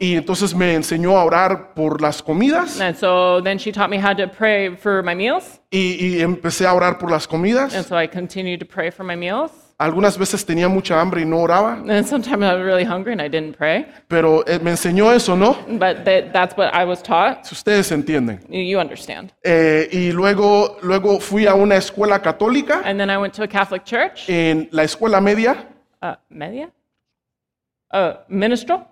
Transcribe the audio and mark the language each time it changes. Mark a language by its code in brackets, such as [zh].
[es] Y entonces me enseñó a orar por las comidas. [en] And so then she taught me how to pray for my meals. [es] Y empecé a orar por las comidas. [en] And so I continued to pray for my meals. [es] Algunas veces tenía mucha hambre y no oraba. [en] And sometimes I was really hungry and I didn't pray. [es] Pero me enseñó eso, ¿no? [en] But that's what I was taught. [es] Si ustedes entienden. [en] You understand. [es] Y luego fui a una escuela católica. [en] And then I went to a Catholic church. [es] En la escuela media. Media? Ministerial?